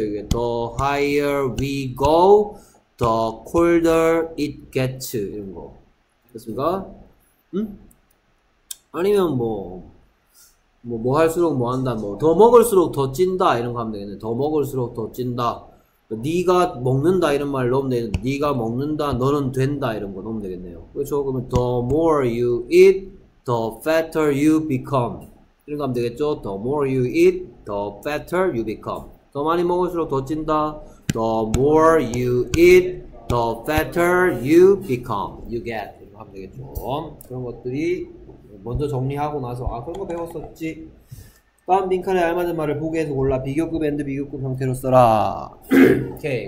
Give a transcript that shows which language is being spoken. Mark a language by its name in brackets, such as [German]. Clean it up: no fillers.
[Korean] 이게 더 [English] higher we go, the colder it gets [Korean] 이런 거. 됐습니까? 응? 아니면 뭐 할수록 뭐 한다. 뭐더 먹을수록 더 찐다 이런 거 하면 되겠네. 더 먹을수록 더 찐다. 네가 먹는다 이런 말 넣으면 되겠네. 네가 먹는다, 너는 된다 이런 거 넣으면 되겠네요. 그렇죠? 그러면 [English] the more you eat, the fatter you become. [Korean] 이런 거 하면 되겠죠? [English] The more you eat, the fatter you become. [Korean] 더 많이 먹을수록 더 찐다. [English] The more you eat, the fatter you become. You get. [Korean] 이런 거 하면 되겠죠? 그런 것들이 먼저 정리하고 나서, 아, 그런 거 배웠었지. 다음 빈칸에 알맞은 말을 보기에서 골라 비교급 앤드 비교급 형태로 써라. 오케이.